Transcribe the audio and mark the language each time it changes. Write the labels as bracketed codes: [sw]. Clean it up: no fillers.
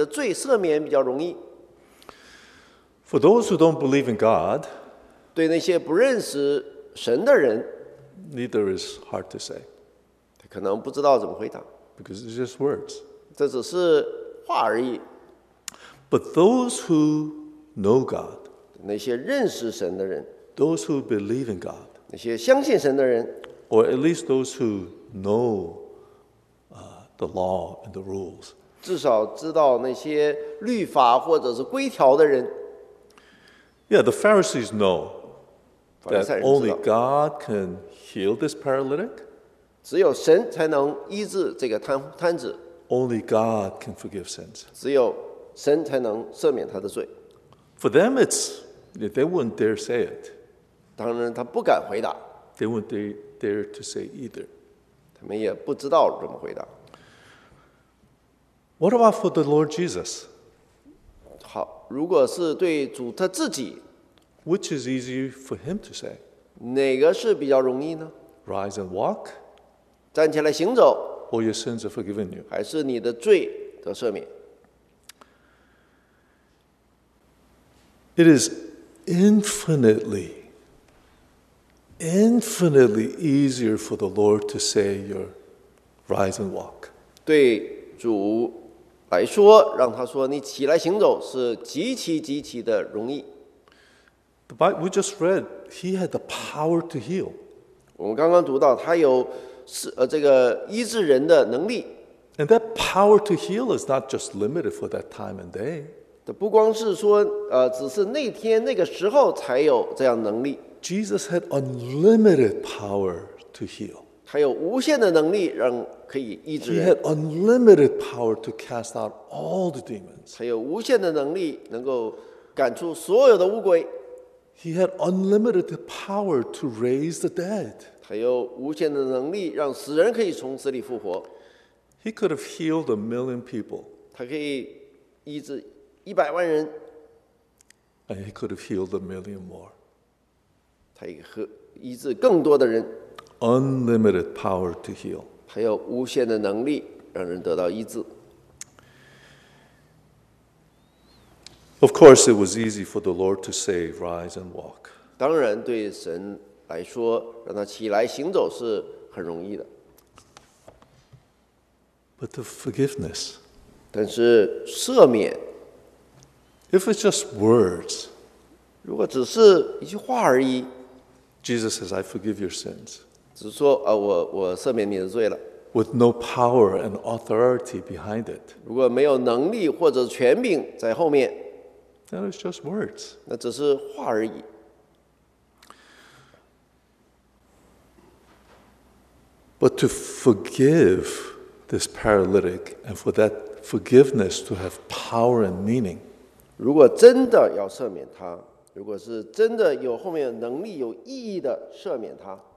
[zh] 是让他站起来行走比较容易，还是说你的罪赦免比较容易？ [en] For those who don't believe in God, [zh] 对那些不认识神的人, [en] neither is hard to say. [zh] 他可能不知道怎么回答, [en] because it's just words. [zh] 这只是话而已。 [en] But those who know God, [zh] 那些认识神的人, [en] those who believe in God, [zh] 那些相信神的人, [en] or at least those who know the law and the rules, [zh] 至少知道那些律法或者是规条的人, [en] yeah, the Pharisees know that only God can heal this paralytic. [zh] 只有神才能医治这个瘫子。 [en] Only God can forgive sins. [zh] 只有神才能赦免他的罪。 [en] For them, it's they wouldn't dare say it. [zh] 当然他不敢回答。 [en] They won't dare to say either. [zh] 他们也不知道怎么回答。 [en] What about for the Lord Jesus? [zh] 好，如果是对主他自己。 [en] Which is easy for him to say? [zh] 哪个是比较容易呢？ [en] Rise and walk. [zh] 站起来行走。 [en] Or your sins are forgiven you. [zh] 还是你的罪得赦免。 [en] It is infinitely easier for the Lord to say your rise and walk. [zh] 对主来说，让他说你起来行走是极其极其的容易。 [en] The Bible we just read, he had the power to heal. [zh] 我们刚刚读到他有这个医治人的能力。 [en] And that power to heal is not just limited for that time and day. [zh] 不光是说只是那天那个时候才有这样能力。 [en] Jesus had unlimited power to heal. [zh] 他有无限的能力让可以医治人。 [en] He had unlimited power to cast out all the demons. [zh] 他有无限的能力能够赶出所有的污鬼。 [en] He had unlimited power to raise the dead. [zh] 他有无限的能力让死人可以从死里复活。 [en] He could have healed 1,000,000 people. [zh] 他可以医治一百万人。 [en] And he could have healed 1,000,000 more. [zh] 他也可医治更多的人。 [en] Unlimited power to heal. [zh] 他有无限的能力让人得到医治。 [en] Of course, it was easy for the Lord to say, "Rise and walk." [zh] 当然，对神来说，让他起来行走是很容易的。 [en] But the forgiveness. [zh] 但是赦免。 [en] If it's just words, [zh] 如果只是一句话而已， [en] Jesus says, "I forgive your sins." [zh] 只是说我赦免你的罪了。 [en] With no power and authority behind it. [zh] 如果没有能力或者权柄在后面， [en] then it's just words. [zh] 那只是话而已。 [en] But to forgive this paralytic and for that forgiveness to have power and meaning. [zh] 如果真的要赦免他，如果是真的有后面能力有意义的赦免他